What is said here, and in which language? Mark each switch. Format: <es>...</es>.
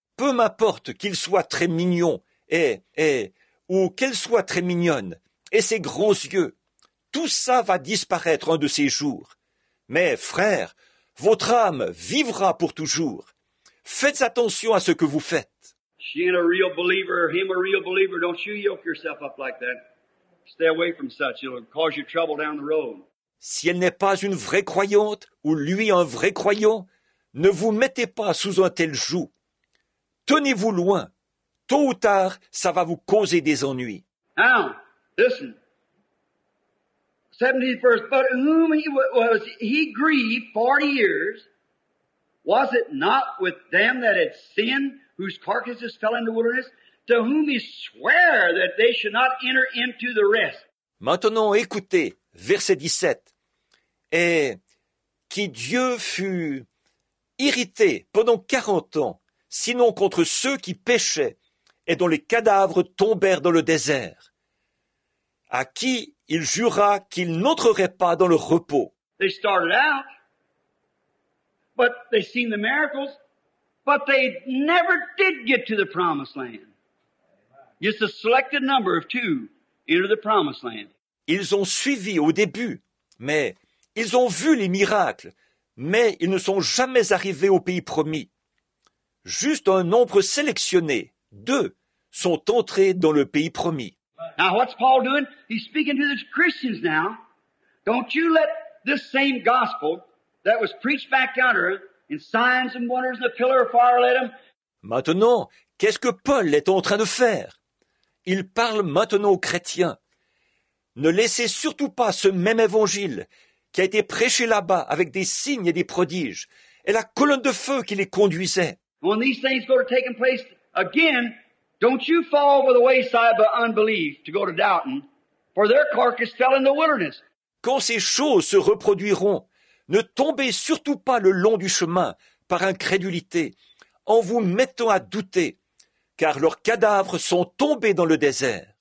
<fr>Peu m'importe qu'il soit très mignon ou qu'elle soit très mignonne et ses grands yeux. Tout ça va disparaître un de ces jours. Mais frère, votre âme vivra pour toujours. Faites attention à ce que vous faites.</fr> <en>She ain't a real believer, him a real believer. Don't you yoke yourself up like that. Stay away from such. It'll cause you trouble down the road.</en> <fr>Si elle n'est pas une vraie croyante ou lui un vrai croyant, ne vous mettez pas sous un tel joug. Tenez-vous loin. Tôt ou tard, ça va vous causer des ennuis.</fr> <en>Now, listen. 71st, but whom he was he grieved 40 years, was it not with them that had sinned, whose carcasses fell in the wilderness, to whom he sware that they should not enter into the rest?</en> <fr>Maintenant, écoutez, verset 17. Et qui Dieu fut irrité pendant 40 ans, sinon contre ceux qui péchaient, et dont les cadavres tombèrent dans le désert, à qui il jura qu'il n'entrerait pas dans le repos.</fr> <en>They started out, but they seen the miracles, but they never did get to the promised land. Just a selected number of two entered the promised land.</en> <fr>Ils ont suivi au début, mais ils ont vu les miracles, mais ils ne sont jamais arrivés au pays promis. Juste un nombre sélectionné, deux, sont entrés dans le pays promis.</fr> <en>Now, what's Paul doing? He's speaking to the Christians now. Don't you let this same gospel that was preached back yonder in signs and wonders and the pillar of fire let him.</en> <fr>Maintenant, qu'est-ce que Paul est en train de faire? Il parle maintenant aux chrétiens. Ne laissez surtout pas ce même évangile qui a été prêché là-bas avec des signes et des prodiges et la colonne de feu qui les conduisait.</fr> <en>When these things go to taking place again, don't you fall by the wayside by unbelief to go to doubting, for their carcass fell in the wilderness.</en> <fr>Quand ces choses se reproduiront, ne tombez surtout pas le long du chemin par incrédulité, en vous mettant à douter, car leurs cadavres sont tombés dans le désert.</fr>